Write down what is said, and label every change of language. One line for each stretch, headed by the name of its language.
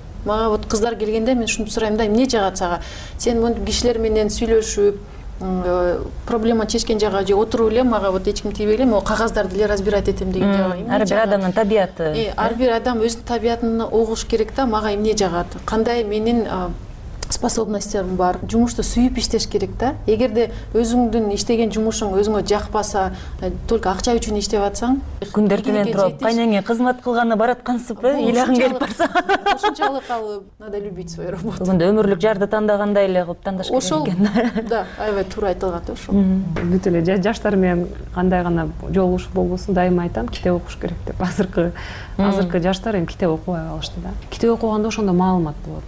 Kyrgyz: Мага вот кыздар келгенде мен ушунту сурайм да, эмне жагат сага? Сен мынтип кишилер менен сүйлөшүп, проблема чечкен жагы же отуруп эле мага вот эч ким тийбей эле, могу кагаздарды эле разбирать этем деген жагы. Ар бир адамдын табияты. Ар бир адам өзүнүн табиятын угуш керек да, мага эмне жагат? Кандай менин способностьтерим бар? Жумушту сүйүп иштеш керек да. Эгерде өзүңдүн иштеген жумушуң өзүңө жакпаса, только акча үчүн иштеп атсаң, күндөр төмөн туруп, кайнеңе кызмат кылганы бараткансып, ыйлагың келип барса, ошончалык ал
Russian: надо любить свою работу.
Kyrgyz: Бүгүндө өмүрлүк жарды тандагандай эле кылып тандаш керек экен. Да, аябай туура айтылган да ошол. Бүт эле жаштар менен кандай гана жолугуш болбосун, дайыма айтам, китеп окуш керек деп. Азыркы жаштар эми китеп окубай калышты да. Китеп окуганда ошондо маалымат болот.